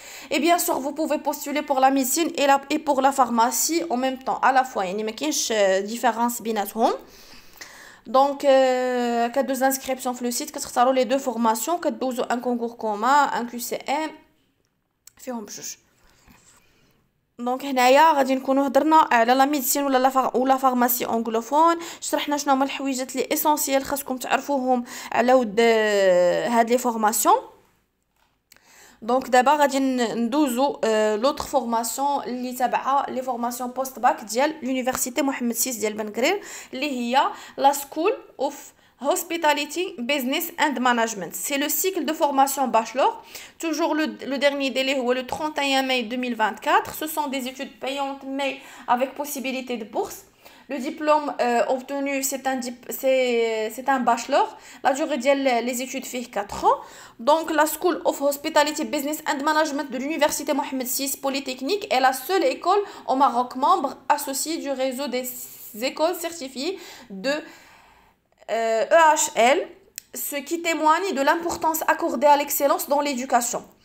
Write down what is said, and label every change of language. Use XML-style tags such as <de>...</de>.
<fr>Et bien sûr, vous pouvez postuler pour la médecine et, la, et pour la pharmacie en même temps, à la fois. Il n'y a pas de différence. Donc, il y a deux inscriptions sur le site, les deux formations, un concours commun, un QCM. Faire un juge.</fr> <ar>دونك هنايا غادي نكونوا هضرنا على لا ميديسين ولا لا فار ولا فارماسي انغلوفون شرحنا شنو هما الحويجات لي اسونسييل خاصكم تعرفوهم على ود هاد لي فورماسيون دونك دابا غادي ندوزو لوتر فورماسيون اللي تابعه لي فورماسيون بوست باك ديال لونيفرسيتي محمد السادس ديال بنكرير اللي هي لا سكول اوف Hospitality, Business and Management.</ar> <fr>C'est le cycle de formation bachelor. Toujours le dernier délai est le 31 mai 2024. Ce sont des études payantes mais avec possibilité de bourse. Le diplôme obtenu, c'est un bachelor. La durée des études fait 4 ans. Donc, la School of Hospitality, Business and Management de l'Université Mohamed VI Polytechnique est la seule école au Maroc membre associée du réseau des écoles certifiées de EHL, ce qui témoigne de l'importance accordée à l'excellence dans l'éducation.</fr>